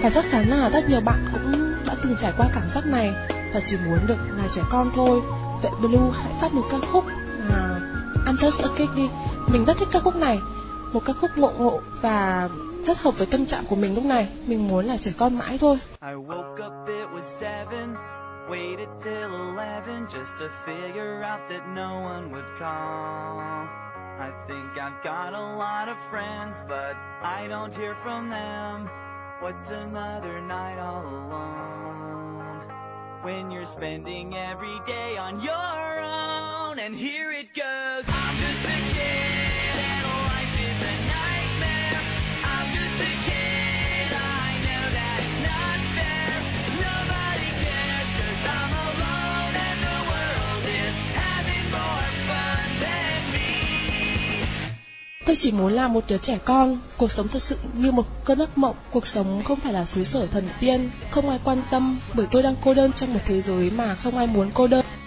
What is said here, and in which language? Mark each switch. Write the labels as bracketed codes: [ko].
[vi] Và chắc chắn là rất nhiều bạn cũng đã từng trải qua cảm giác này và chỉ muốn được là trẻ con thôi. Vậy Blue hãy phát một ca khúc là I'm Just a Kid đi. Mình rất thích ca khúc này, một ca khúc ngộ ngộ và rất hợp với tâm trạng của mình lúc này. Mình muốn là trẻ con mãi thôi. [en] I woke up, it was 7, waited till 11, just to figure out that no one would call. I think I've got a lot of friends, but I don't hear from them. What's another night all alone when you're spending every day on your own? And here it goes. I'm just a kid and life is a nightmare. I'm just a kid, I know that's not fair. Nobody cares, cause I'm alone and the world is having more fun than me. [vi] Tôi chỉ muốn là một đứa trẻ con. Cuộc sống thật sự như một cơn ác mộng. Cuộc sống không phải là xứ sở thần tiên, không ai quan tâm, bởi tôi đang cô đơn trong một thế giới mà không ai muốn cô đơn.